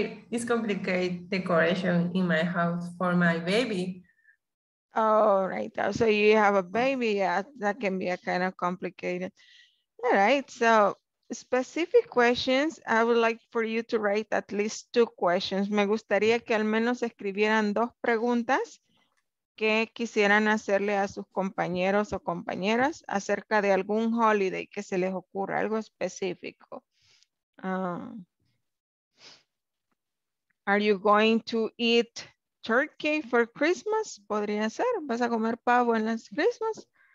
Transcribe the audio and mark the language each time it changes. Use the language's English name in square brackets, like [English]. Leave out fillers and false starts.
[English] It's complicated decoration in my house for my baby. Oh, right. So you have a baby. Yeah, that can be a kind of complicated. All right. So specific questions. I would like for you to write at least two questions. [Spanish] Me gustaría que al menos escribieran dos preguntas que quisieran hacerle a sus compañeros o compañeras acerca de algún holiday que se les ocurra, algo específico. [English] Are you going to eat turkey for Christmas? [Spanish] Podría ser, ¿vas a comer pavo en las Christmas?